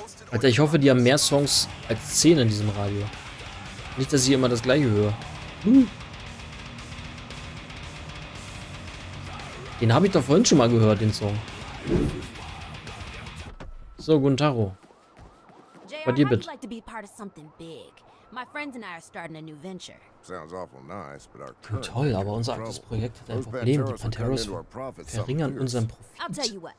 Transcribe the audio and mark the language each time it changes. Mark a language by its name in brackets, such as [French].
[German] Alter, ich hoffe, die haben mehr Songs als 10 in diesem Radio. Nicht, dass ich immer das gleiche höre. Den habe ich doch vorhin schon mal gehört, den Song. So, guten Taro. Bei dir bitte. [English] Like to be part of something big. My friends and I are starting a new venture. Sounds awful nice, but our current toll, [German] aber unser aktuelles Projekt hat ein Problem. Die Panteros verringern unseren Profit.